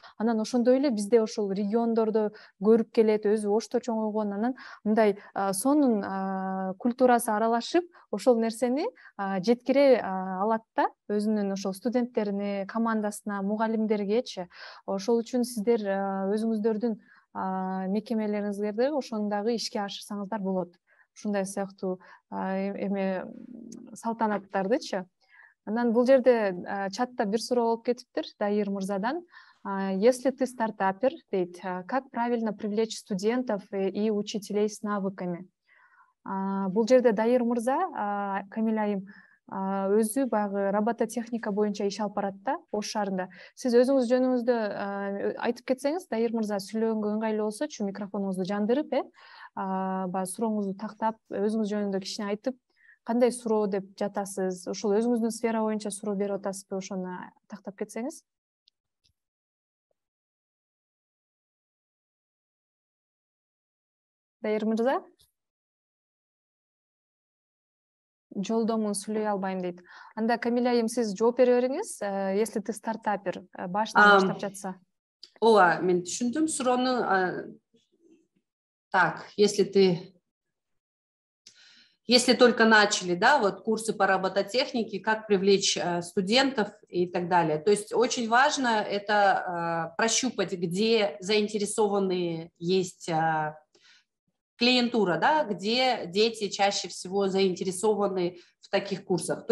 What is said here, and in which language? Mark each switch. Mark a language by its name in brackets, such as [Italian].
[Kyrgyz] Анан ошондой эле бизде ошол региондордо көрүп келет, өзү Ошто чоңойгон, анан мындай сонун культурасы аралашып ошол нерсени жеткире алат да өзүнүн ошол студенттерине, командасына, мугалимдергечи. Ошол үчүн сиздер өзүңүздөрдүн мекемелериңиздерди ошондогу ишке ашырсаңыздар болот. Ушундай сыяктуу эме салтанаттардычы. Анан бул жерде чатта бир суроо болуп кетиптир Дайыр мырзадан. [Russian] Если ты стартапер, как правильно привлечь студентов и учителей с навыками? [Kyrgyz] Бул жерде Дайыр мырза, Камиль айым, өзү багы робототехника боюнча иш алып барат да Ош шаарында. Сиз өзүңүз жөнүңүздө айтып кетсеңиз, Дайыр мырза, сүйлөгөнгө ыңгайлуу болсочу, микрофонуңузду жандырып, баягы сурооңузду тактап, өзүңүз жөнүндө кичине айтып, кандай суроо деп жатасыз, ушул өзүңүздүн сфера боюнча суроо берип атасызбы, ошону тактап кетсеңиз. Дайыр мырза, жолдомун сүйлөй албайм дейт. Анда Камиль айым, сиз жооп бере бериңиз, [Russian] если ты стартапер, [Kyrgyz] башынан баштап жатса. Ооба, мен түшүндүм суроону. [Russian] Так, если только начали, да, вот курсы по робототехнике, как привлечь студентов и так далее. То есть очень важно это прощупать, где заинтересованные есть клиентура, да, где дети чаще всего заинтересованы в таких курсах.